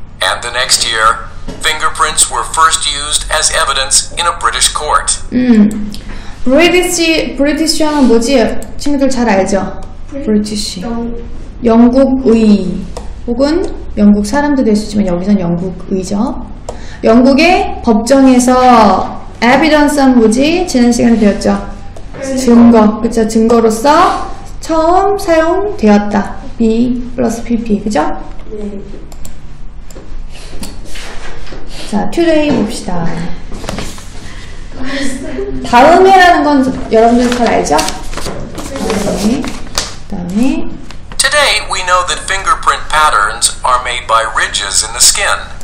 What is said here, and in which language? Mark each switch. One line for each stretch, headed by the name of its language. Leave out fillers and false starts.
English: And the next year, fingerprints were first used as evidence in a British court.
Korean: British 하면 뭐지? 친구들 잘 알죠? British. 영국의. 혹은 영국 사람도 될 수 있지만 여기선 영국의죠. 영국의 법정에서 evidence 뭐지? 지난 시간에 되었죠? 증거. 그쵸? 증거로서 처음 사용되었다.
English: B plus PP. 그죠?
Korean: 자, today 봅시다. 다음 해라는 건 여러분들 잘 알죠? 그다음에
English: Today we know that fingerprint patterns are made by ridges in the skin.